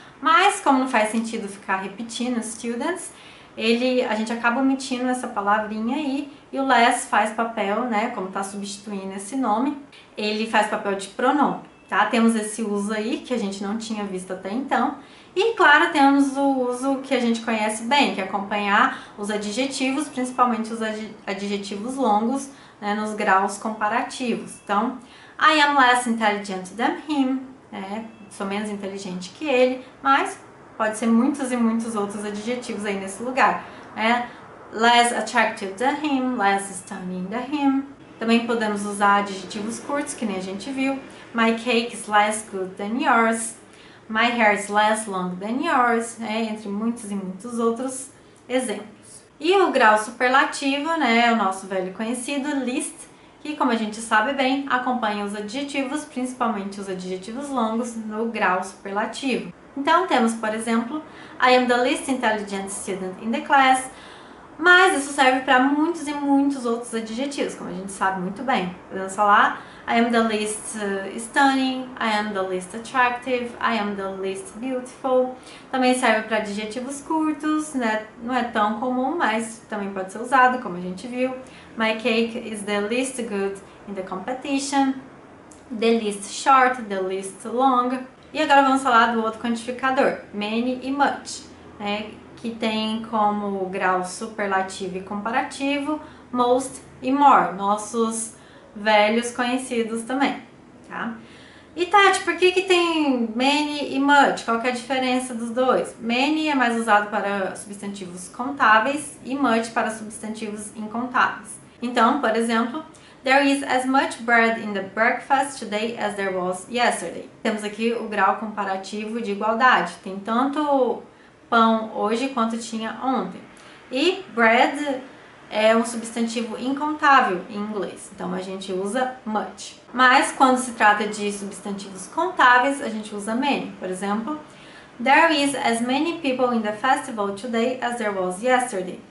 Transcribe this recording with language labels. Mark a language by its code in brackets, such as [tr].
[pt] Mas, como não faz sentido ficar repetindo students, a gente acaba omitindo essa palavrinha aí, e o less faz papel, né, como está substituindo esse nome, ele faz papel de pronome, tá? Temos esse uso aí, que a gente não tinha visto até então. E, claro, temos o uso que a gente conhece bem, que é acompanhar os adjetivos, principalmente os adjetivos longos, né, nos graus comparativos. [en] Então, I am less intelligent than him, né? [pt] Sou menos inteligente que ele, mas pode ser muitos e muitos outros adjetivos aí nesse lugar, né? [en] Less attractive than him, less stunning than him. [pt] Também podemos usar adjetivos curtos, que nem a gente viu. [en] My cake is less good than yours. My hair is less long than yours, né? [pt] Entre muitos e muitos outros exemplos. E o grau superlativo, né? O nosso velho conhecido, least, que, como a gente sabe bem, acompanha os adjetivos, principalmente os adjetivos longos, no grau superlativo. Então, temos, por exemplo, [en] I am the least intelligent student in the class, [pt] mas isso serve para muitos e muitos outros adjetivos, como a gente sabe muito bem. Podemos falar, [en] I am the least stunning, I am the least attractive, I am the least beautiful. [pt] Também serve para adjetivos curtos, né? Não é tão comum, mas também pode ser usado, como a gente viu. [en] My cake is the least good in the competition, the least short, the least long. [pt] E agora vamos falar do outro quantificador, many e much, né? Que tem como grau superlativo e comparativo, most e more, nossos velhos conhecidos também, tá? E Tati, por que tem many e much? Qual que é a diferença dos dois? Many é mais usado para substantivos contáveis e much para substantivos incontáveis. Então, por exemplo, [en] there is as much bread in the breakfast today as there was yesterday. [pt] Temos aqui o grau comparativo de igualdade. Tem tanto pão hoje quanto tinha ontem. E bread é um substantivo incontável em inglês, então a gente usa much. Mas quando se trata de substantivos contáveis, a gente usa many. Por exemplo, [en] there is as many people in the festival today as there was yesterday.